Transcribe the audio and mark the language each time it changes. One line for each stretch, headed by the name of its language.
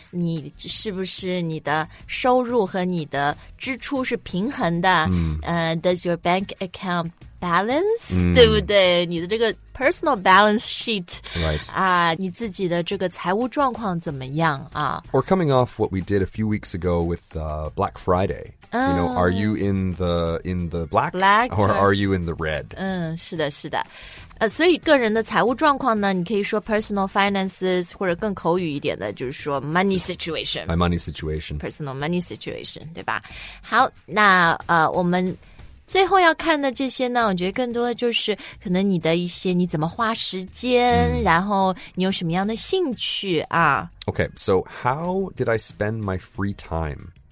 Chinese: 你是不是你的收入和你的支出是平衡的、
English: Does your bank account balance,、
Chinese: 对不对？你的这个
English: personal balance sheet, right?
Chinese: 啊、你自己的这个财务状况怎么样啊
English: ？Or coming off what we did a few weeks ago with、Black Friday,、you know, are you in the black or are you in the red?
Chinese: 是的，是的。所以个人的财务状况呢，你可以说
English: personal finances,
Chinese: 或者更口语一点的，就是说
English: money situation. My money situation. Personal money situation,
Chinese: 对吧？好，那我们。最后要看的这些呢，我觉得更多的就是可能你的一些你怎么花时间、然后你有什么样的兴趣啊。
English: Okay, so how did I spend my free time?